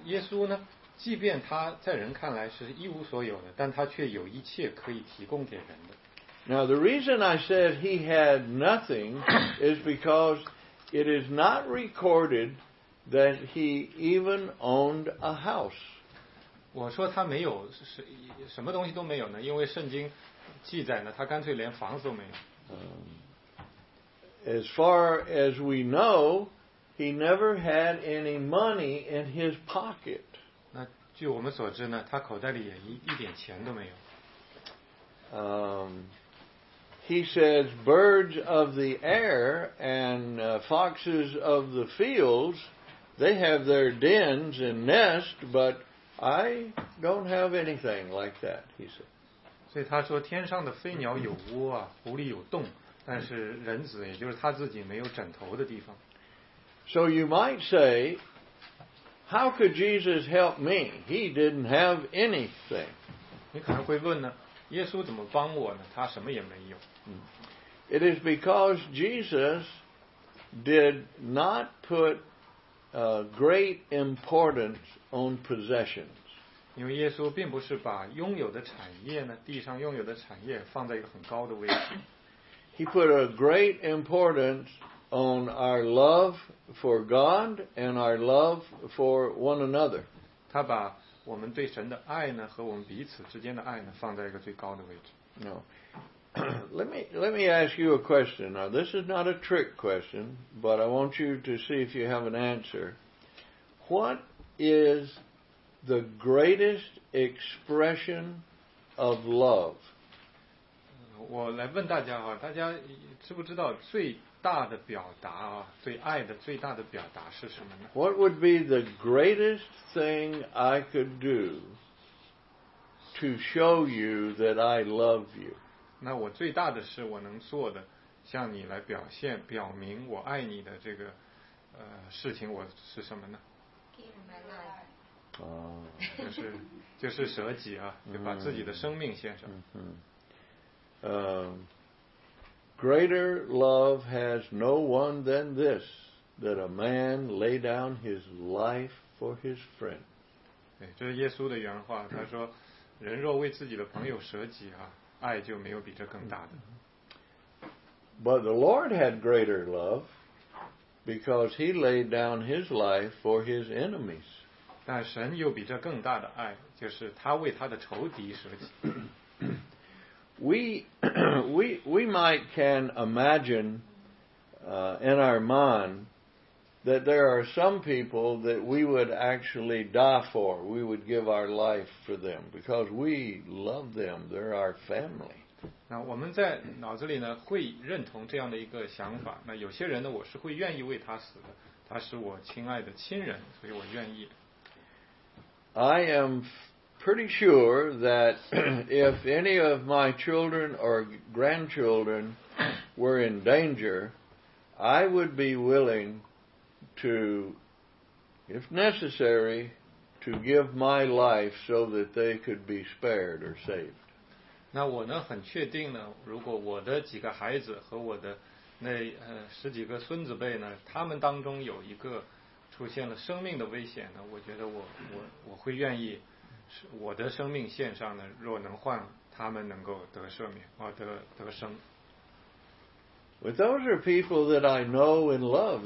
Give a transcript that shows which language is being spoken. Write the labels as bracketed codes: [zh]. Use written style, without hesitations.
[zh] 耶稣呢，即便他在人看来是一无所有的，但他却有一切可以提供给人的。 [en] Now the reason I said he had nothing is because it is not recorded that he even owned a house. [zh] 我说他没有什么东西都没有呢，因为圣经记载呢，他干脆连房子都没有。 [en] As far as we know, he never had any money in his pocket. [zh] 那据我们所知呢，他口袋里也一点钱都没有。 [en] He says, birds of the air and foxes of the fields, they have their dens and nests, but I don't have anything like that, he said. [zh] 所以他说天上的飞鸟有窝啊，狐狸有洞，但是人子也就是他自己没有枕头的地方。 [en] So you might say, how could Jesus help me? He didn't have anything. [zh] 你可能会问呢，耶稣怎么帮我呢？他什么也没有。 [en] It is because Jesus did not put great importance on possessions. [zh] 因为耶稣并不是把拥有的产业呢，地上拥有的产业放在一个很高的位置。 [en] He put a great importance on our love for God and our love for one another. [zh] 他把我们对神的爱呢，和我们彼此之间的爱呢，放在一个最高的位置。 [en] No. Let me ask you a question. Now, this is not a trick question, but I want you to see if you have an answer. What is the greatest expression of love? [zh] 我来问大家哈，大家知不知道最大的表达啊，对爱的最大的表达是什么呢？ [en] What would be the greatest thing I could do to show you that I love you? [zh] 那我最大的是我能做的，向你来表现，表明我爱你的这个事情，我是什么呢？ [en] Give my life. [zh] 就是舍己啊，就把自己的生命献上。 [en] Greater love has no one than this, that a man lay down his life for his friend. [zh] 对，这是耶稣的原话，他说，人若为自己的朋友舍己啊，爱就没有比这更大的。 [en] But the Lord had greater love, because he laid down his life for his enemies. [zh] 但神有比这更大的爱，就是他为他的仇敌舍己。 [en] We might can imagine in our mind that there are some people that we would actually die for. We would give our life for them because we love them. They're our family. [zh] 那我们在脑子里呢会认同这样的一个想法。那有些人呢，我是会愿意为他死的。他是我亲爱的亲人，所以我愿意。 [en] I am. Pretty sure that if any of my children or grandchildren were in danger, I would be willing to, if necessary, to give my life so that they could be spared or saved. [zh] 那我呢，很确定呢，如果我的几个孩子和我的那十几个孙子辈呢，他们当中有一个出现了生命的危险呢，我觉得我会愿意。我的生命线上呢，若能换他们能够得赦免，得生。 [en] With those are people that I know and love.